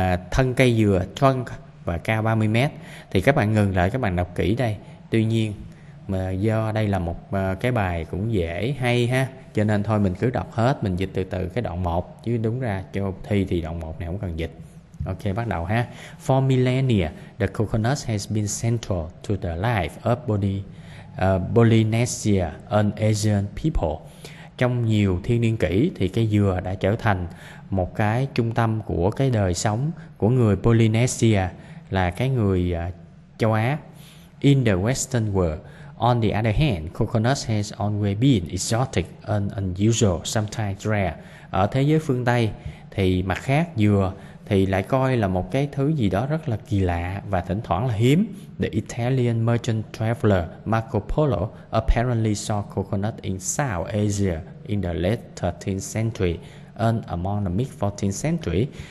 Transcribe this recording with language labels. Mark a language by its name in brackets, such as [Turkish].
[Vietnamese] Thân cây dừa, trunk, và cao 30 mét. Thì các bạn ngừng lại các bạn đọc kỹ đây. Tuy nhiên mà do đây là một cái bài cũng dễ hay ha, cho nên thôi mình cứ đọc hết, mình dịch từ từ cái đoạn 1, chứ đúng ra cho thi thì đoạn 1 này không cần dịch. Ok, bắt đầu ha. [English] For millennia, the coconut has been central to the life of Polynesia and Asian people. [Vietnamese] Trong nhiều thiên niên kỷ thì cây dừa đã trở thành một cái trung tâm của cái đời sống của người Polynesia, là cái người châu Á. [English] In the Western world, on the other hand, coconuts has always been exotic and unusual, sometimes rare. [Vietnamese] Ở thế giới phương Tây thì mặt khác, dừa thì lại coi là một cái thứ gì đó rất là kỳ lạ và thỉnh thoảng là hiếm. [English] The Italian merchant traveler Marco Polo apparently saw coconut in South Asia in the late 13th century and among the mid-14th century.